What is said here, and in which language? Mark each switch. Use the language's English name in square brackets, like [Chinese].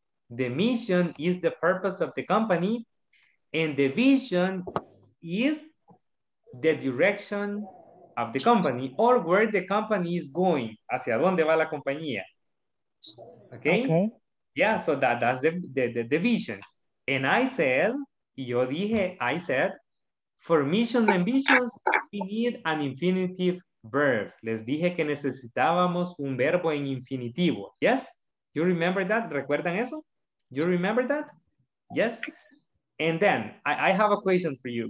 [English] The mission is the purpose of the company, and the vision is the direction of the company or where the company is going. [Spanish] Hacia dónde va la compañía. Okay? Okay. [English] Yeah, so that's the vision. And I said, I said, for mission and visions, we need an infinitive verb. [Spanish] Les dije que necesitábamos un verbo en infinitivo. [English] Yes? You remember that? [Spanish] ¿Recuerdan eso? [English] You remember that? Yes? And then, I have a question for you.